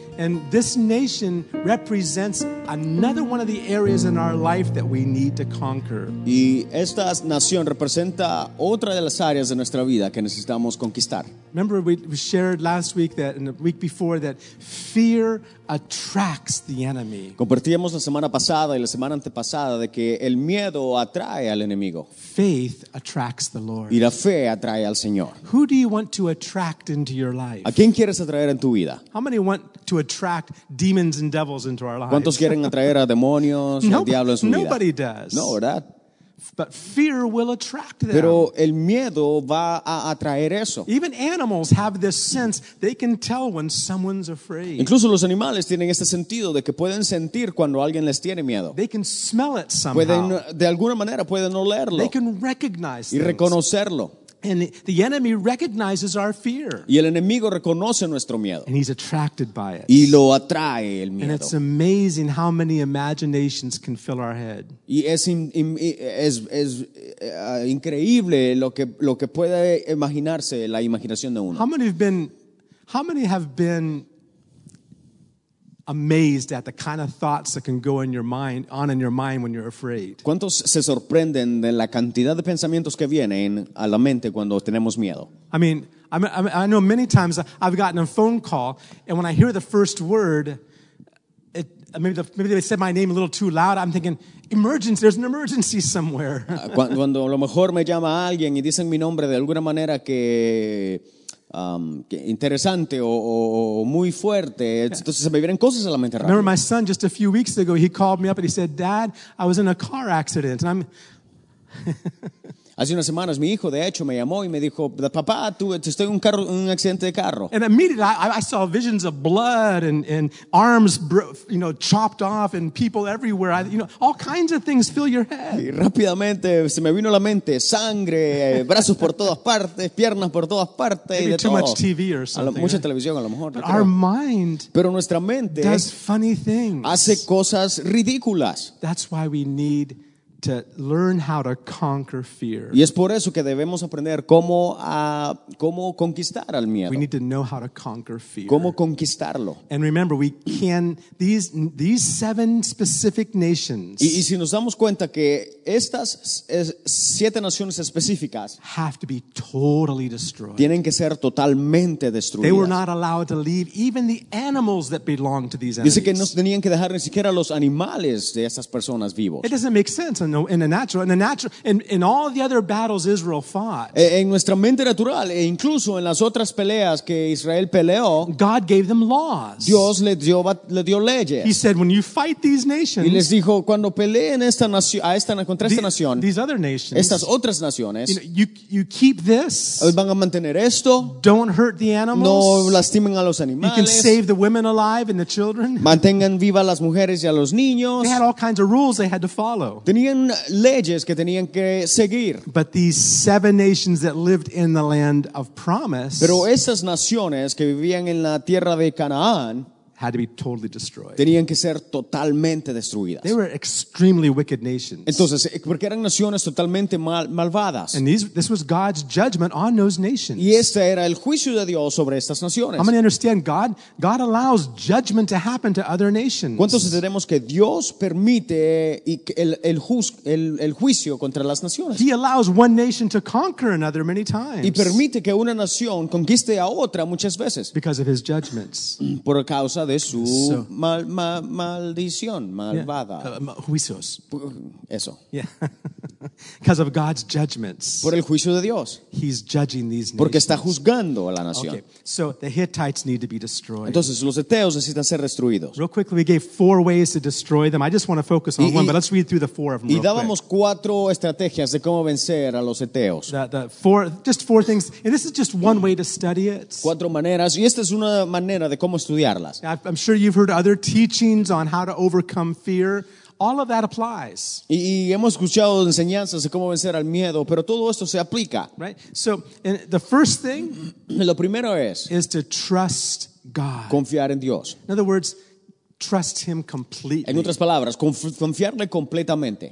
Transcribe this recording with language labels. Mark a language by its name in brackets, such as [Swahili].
[English] And this nation represents another one of the areas in our life that we need to conquer. [Spanish] Y esta nación representa otra de las áreas de nuestra vida que necesitamos conquistar. [English] Remember we shared last week that and the week before that fear attracts the enemy. [Spanish] Compartíamos la semana pasada y la semana antepasada de que el miedo atrae al enemigo. [English] Faith attracts the Lord. [Spanish] Y la fe atrae al Señor. [English] Who do you want to attract into your life? [Spanish] ¿A quién quieres atraer en tu vida? [English] How many want to attract demons and devils into our lives? [Spanish] ¿Cuántos quieren atraer a demonios y al diablo en su vida? [English] Nobody does. [Spanish] No, ¿verdad? [English] But fear will attract them. [Spanish] Pero el miedo va a atraer eso. [English] Even animals have this sense; they can tell when someone's afraid. [Spanish] Incluso los animales tienen este sentido de que pueden sentir cuando alguien les tiene miedo. [English] They can smell it somehow. [Spanish] Pueden, de alguna manera, pueden olerlo. [English] They can recognize [Spanish] y reconocerlo. [English] And the enemy recognizes our fear. [Spanish] Y el enemigo reconoce nuestro miedo. [English] And he's attracted by it. [Spanish] Y lo atrae el miedo. [English] And it's amazing how many imaginations can fill our head. [Spanish] Y es increíble lo que puede imaginarse la imaginación de uno. [English] How many have been amazed at the kind of thoughts that can go in your mind, on in your mind when you're afraid. [Spanish] ¿Cuántos se sorprenden de la cantidad de pensamientos que vienen a la mente cuando tenemos miedo? [English] I know many times I've gotten a phone call, and when I hear the first word, maybe they said my name a little too loud. I'm thinking, emergency. There's an emergency somewhere. [Spanish] Cuando a lo mejor me llama alguien y dicen mi nombre de alguna manera que interesante o muy fuerte. Entonces se me vienen cosas a la mente rápido. [English] Remember my son just a few weeks ago, he called me up and he said, "Dad, I was in a car accident." And I'm [Spanish] hace unas semanas mi hijo de hecho me llamó y me dijo, "Papá, estoy en un accidente de carro." [English] And immediately I saw visions of blood and arms chopped off and people everywhere. All kinds of things fill your head. [Spanish] Y rápidamente se me vino a la mente sangre, brazos por todas partes, piernas por todas partes. [English] Maybe [Spanish] y de [English] too [Spanish] todo. [English] Much TV or something. [Spanish] Mucha televisión a lo mejor. [English] But our mind [Spanish] pero nuestra mente [English] does funny things. [Spanish] Hace cosas ridículas. [English] That's why we need to learn how to conquer fear. [Spanish] Y es por eso que debemos aprender cómo conquistar al miedo. [English] We need to know how to conquer fear. [Spanish] Cómo conquistarlo. [English] And remember, we can these seven specific nations. [Spanish] Y si nos damos cuenta que estas siete naciones específicas [English] have to be totally destroyed. [Spanish] Tienen que ser totalmente destruidas. [English] They were not allowed to leave even the animals that belong to these enemies. [Spanish] Dice que no tenían que dejar ni siquiera los animales de esas personas vivos. [English] It doesn't make sense. In all the other battles Israel fought. [Spanish] En nuestra mente natural e incluso en las otras peleas que Israel peleó. [English] God gave them laws. [Spanish] Dios le dio leyes. [English] He said, when you fight these nations. [Spanish] Y les dijo cuando peleen esta nación contra esta nación. [English] These other nations. [Spanish] Estas otras naciones. [English] You keep this. [Spanish] Van a mantener esto. [English] Don't hurt the animals. [Spanish] No lastimen a los animales. [English] You can save the women alive and the children. [Spanish] Mantengan vivas las mujeres y a los niños. [English] They had all kinds of rules they had to follow. [Spanish] Tenían leyes que tenían que seguir. [English] But these seven nations that lived in the land of promise, [Spanish] pero esas naciones que vivían en la tierra de Canaán, [English] had to be totally destroyed. [Spanish] Tenían que ser totalmente destruidas. [English] They were extremely wicked nations. [Spanish] Entonces, porque eran naciones totalmente malvadas. [English] And this was God's judgment on those nations. [Spanish] Y este era el juicio de Dios sobre estas naciones. [English] How many understand God allows judgment to happen to other nations? [Spanish] ¿Cuántos entendemos que Dios permite el juicio contra las naciones? [English] He allows one nation to conquer another many times. [Spanish] Y permite que una nación conquiste a otra muchas veces. [English] Because of his judgments. [Spanish] Por causa de su maldición malvada. Juicios. Eso. [English] Yeah. Because of God's judgments. [Spanish] Por el juicio de Dios. [English] He's judging these nations. [Spanish] Porque está juzgando a la nación. [English] Okay. So the Hittites need to be destroyed. [Spanish] Entonces los Eteos necesitan ser destruidos. [English] Real quickly, we gave four ways to destroy them. I just want to focus on one, but let's read through the four of them. [Spanish] Y dábamos cuatro estrategias de cómo vencer a los Eteos. [English] Just four things. And this is just one way to study it. [Spanish] Cuatro maneras. Y esta es una manera de cómo estudiarlas. [English] I'm sure you've heard other teachings on how to overcome fear. All of that applies. [Spanish] Y hemos escuchado enseñanzas de cómo vencer al miedo, pero todo esto se aplica. [English] Right? So, and the first thing [Spanish] lo primero [English] is to trust God. [Spanish] Confiar en Dios. [English] In other words, trust him completely. [Spanish] En otras palabras, confiarle completamente.